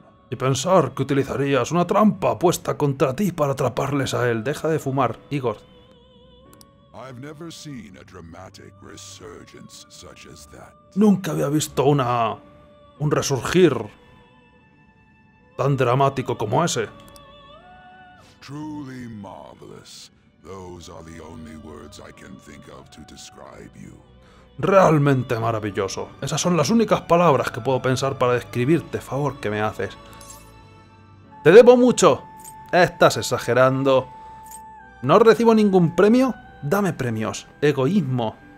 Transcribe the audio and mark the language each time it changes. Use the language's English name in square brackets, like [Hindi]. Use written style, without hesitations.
[Spanish] Y pensar que utilizarías una trampa puesta contra ti para atraparles a él. Deja de fumar, Igor. [English] I've never seen a dramatic resurgence such as that. [Spanish] Nunca había visto una... un resurgir... tan dramático como ese. [English] Truly marvelous. Those are the only words I can think of to describe you. [Spanish] Realmente maravilloso. Esas son las únicas palabras que puedo pensar para describirte, favor que me haces. ¡Te debo mucho! Estás exagerando. ¿No recibo ningún premio? Dame premios. Egoísmo.